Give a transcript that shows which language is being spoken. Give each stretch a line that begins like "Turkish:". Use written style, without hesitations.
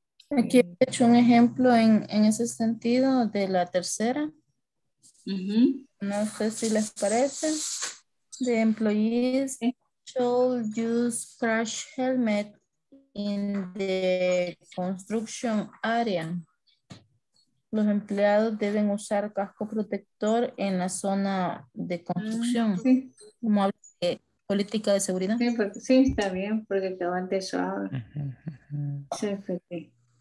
Spanish: Aquí he hecho un ejemplo en ese sentido de la tercera. No sé si les parece.
English: The employees should use crash helmet in the construction area.
Spanish: Los empleados deben usar casco protector en la zona de construcción. Sí. Como habla de política de seguridad. Sí, porque, sí está bien, porque te van de eso ahora. CFT.